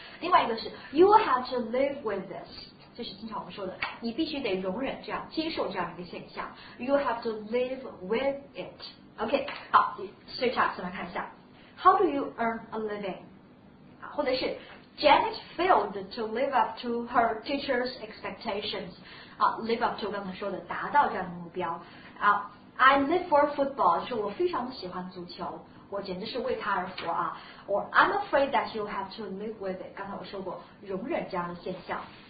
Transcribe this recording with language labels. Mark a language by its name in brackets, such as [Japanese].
[Chinese] 另外一个是 [English] you will have to live with this。 [Chinese] 这是经常我们说的，你必须得容忍这样，接受这样一个现象。 [English] You have to live with it. OK， 好 ，switch up， 我们看一下 ，How do you earn a living？ [Chinese] 或者是 [English] Janet failed to live up to her teacher's expectations。 [Chinese] 啊 ， [English] live up to [Chinese] 刚才说的达到这样的目标。啊 ， [English] I live for football， [Chinese] 就是我非常的喜欢足球，我简直是为他而活啊。 [English] Or I'm afraid that you have to live with it。 [Chinese] 刚才我说过，容忍这样的现象。